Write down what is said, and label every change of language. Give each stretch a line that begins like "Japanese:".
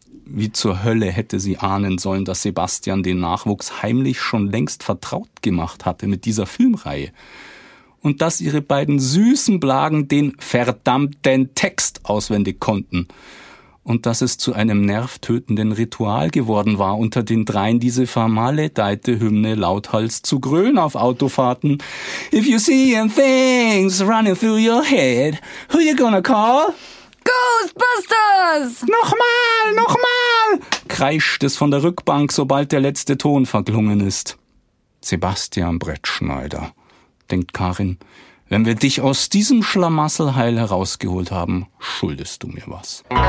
German: Wie zur Hölle hätte sie ahnen sollen, dass Sebastian den Nachwuchs heimlich schon längst vertraut gemacht hatte mit dieser Filmreihe und dass ihre beiden süßen Blagen den verdammten Text auswendig konnten. Und dass es zu einem nervtötenden Ritual geworden war, unter den dreien diese vermaledeite Hymne lauthals zu grölen auf Autofahrten.
English: If you see things running through your head, who you gonna call? Ghostbusters!
German: Nochmal, nochmal! Kreischt es von der Rückbank, sobald der letzte Ton verklungen ist. Sebastian Brettschneider, denkt Karin, wenn wir dich aus diesem Schlamassel heil herausgeholt haben, schuldest du mir was.